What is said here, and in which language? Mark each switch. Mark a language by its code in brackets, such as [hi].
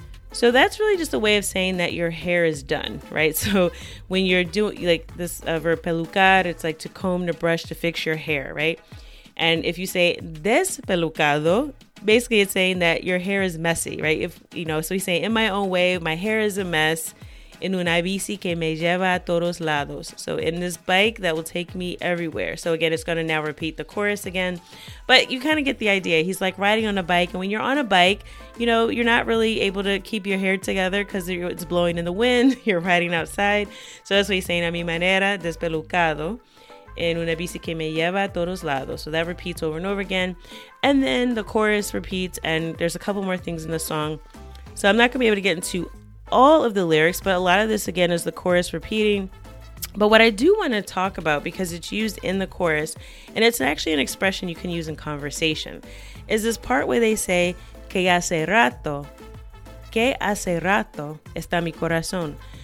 [en] So that's really just a way of saying that your hair is done, right? So when you're doing like this verb pelucar, it's like to comb, to brush, to fix your hair, right? And if you say despelucado, basically it's saying that your hair is messy, right? If, you know, so you say, in my own way, my hair is a mess. [es] En una bici que me lleva a todos lados. [en] So in this bike that will take me everywhere. So again, it's going to now repeat the chorus again. But you kind of get the idea. He's like riding on a bike. And when you're on a bike, you know, you're not really able to keep your hair together because it's blowing in the wind. You're riding outside. So that's what he's saying. [es] A mi manera, despelucado. En una bici que me lleva a todos lados. [en] So that repeats over and over again. And then the chorus repeats. And there's a couple more things in the song. So I'm not going to be able to get into all of the lyrics, but a lot of this again is the chorus repeating. But what I do want to talk about, because it's used in the chorus and it's actually an expression you can use in conversation, is this part where they say [es] que hace rato está mi corazón.